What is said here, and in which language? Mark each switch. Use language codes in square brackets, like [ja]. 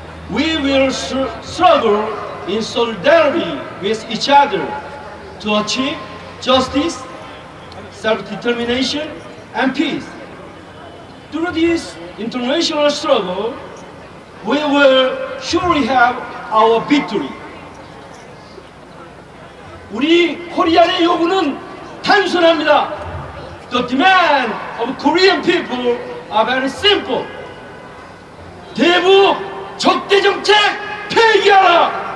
[en] We will struggle in solidarity with each other to achieve justice, self-determination, and peace. Through this international struggle, we will surely have our victory. [ko] 우리 코리안의 요구는 단순합니다. [en] The demand of Korean people are very simple. [ko] 대북 적대정책 폐기하라!